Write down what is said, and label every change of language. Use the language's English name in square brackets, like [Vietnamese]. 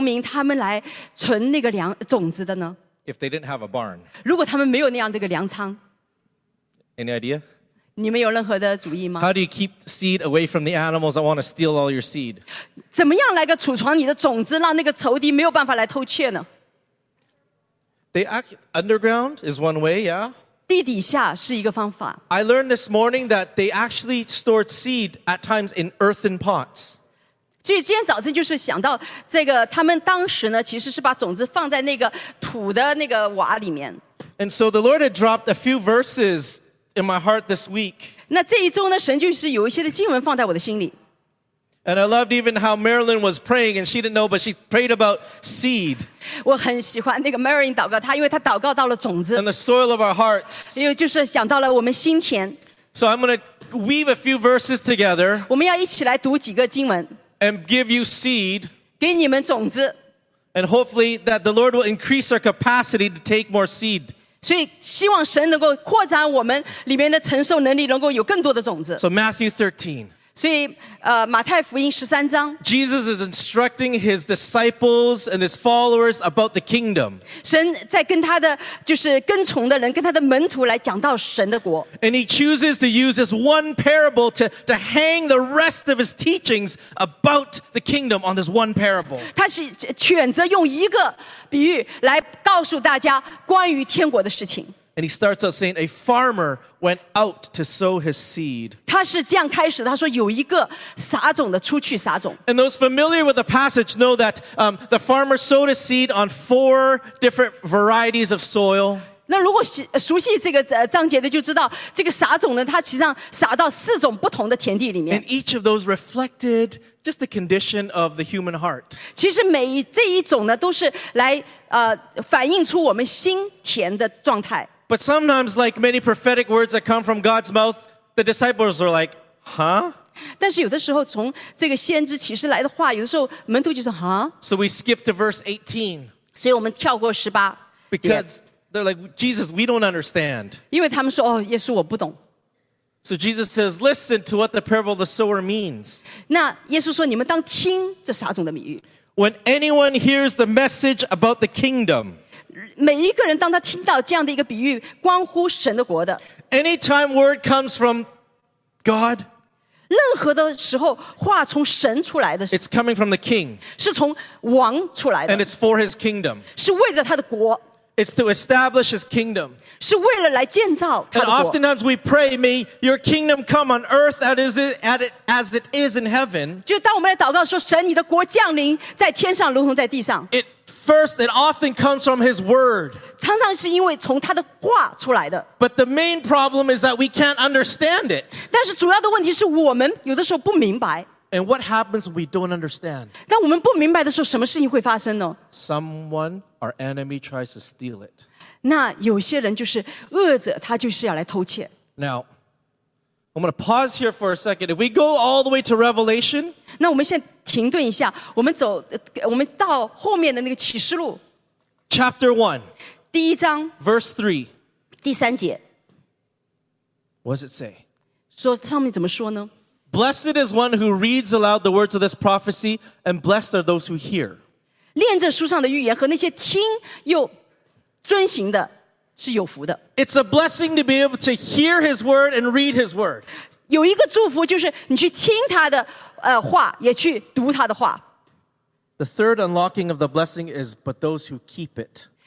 [Chinese] 什么地方是古代的那些农民他们来存那个粮种子的呢? [English] If they didn't have a barn. [Chinese] 如果他们没有那样的粮仓。 [English] Any idea? [Chinese] 你们有任何的主意吗? [English] How do you keep seed away from the animals that want to steal all your seed? [Chinese] 怎么样来个储藏你的种子让那个仇敌没有办法来偷窃呢? [English] They act underground is one way, yeah? I learned this morning that they actually stored seed at times in earthen pots. [Chinese] 今天早晨就是想到这个他们当时呢其实是把种子放在那个土的那个瓦里面。 [English] And so the Lord had dropped a few verses in my heart this week. [Chinese] 那这一周呢神就是有一些的经文放在我的心里。 [English] And I loved even how Marilyn was praying, and she didn't know, but she prayed about seed. [Chinese] 我很喜欢那个Marilyn祷告，她因为她祷告到了种子。 [English] And the soil of our hearts. [Chinese] 因为就是想到了我们心田。 [English] So I'm going to weave a few verses together. [Chinese] 我们要一起来读几个经文。 [English] And give you seed. [Chinese] 给你们种子。 [English] And hopefully that the Lord will increase our capacity to take more seed. [Chinese] 所以希望神能够扩展我们里面的承受能力，能够有更多的种子。 [English] So Matthew 13. [Chinese] 所以, 马太福音十三章, [English] Jesus is instructing his disciples and his followers about the kingdom. [Chinese] 神在跟他的,就是跟从的人,跟他的门徒来讲到神的国。 [English] And he chooses to use this one parable to hang the rest of his teachings about the kingdom on this one parable. [Chinese] 他是选择用一个比喻来告诉大家关于天国的事情。 [English] And he starts out saying, a farmer went out to sow his seed. [Chinese] 他是这样开始，他说有一个撒种的出去撒种。 [English] And those familiar with the passage know that the farmer sowed his seed on four different varieties of soil. [Chinese] 那如果熟悉这个章节的就知道，这个撒种呢，他实际上撒到四种不同的田地里面。 [English] And each of those reflected just the condition of the human heart. [Chinese] 其实每这一种呢，都是来反映出我们心田的状态。 [English] But sometimes, like many prophetic words that come from God's mouth, the disciples were like, huh? [Chinese] 但是有的时候从这个先知启示来的话，有的时候门徒就说 huh? [English] So we skip to verse 18. [Chinese] 所以我们跳过18。 [English] Because they're like, Jesus, we don't understand. [Chinese] 因为他们说，哦，耶稣，我不懂。 [English] So Jesus says, listen to what the parable of the sower means. [Chinese] 那耶稣说，你们当听这撒种的比喻。 [English] When anyone hears the message about the kingdom, [Chinese] 每一个人当他听到这样的一个比喻关乎神的国的 [English] Anytime word comes from God [Chinese] 任何的时候话从神出来的 [English] It's coming from the king [Chinese] 是从王出来的 [English] And it's for his kingdom [Chinese] 是为着他的国 [English] It's to establish his kingdom [Chinese] 是为了来建造他的国 [English] And oftentimes we pray May your kingdom come on earth as it is in heaven [Chinese] 就当我们来祷告说神你的国降临在天上如同在地上 [English] First, it often comes from His Word. [Chinese] 常常是因为从他的话出来的。 [English] But the main problem is that we can't understand it. [Chinese] 但是主要的问题是我们有的时候不明白。 [English] And what happens when we don't understand? [Chinese] 当我们不明白的时候，什么事情会发生呢？ [English] Someone, our enemy, tries to steal it. [Chinese] 那有些人就是恶者，他就是要来偷窃。 [English] Now, I'm going to pause here for a second. If we go all the way to Revelation, [Chinese] 那我们先停顿一下，我们走，我们到后面的那个启示录 [English] ，Chapter One， [Chinese] 第一章 [English] ，Verse Three， [Chinese] 第三节。 [English] What does it say? [Chinese] 说上面怎么说呢 [English] ？Blessed is one who reads aloud the words of this prophecy, and blessed are those who hear. [Chinese] 念着书上的预言和那些听又遵行的是有福的。 [English] It's a blessing to be able to hear His word and read His word. [Chinese] 有一个祝福就是你去听他的。话也去读他的话。 [English] The third unlocking of the blessing is, but those who keep it.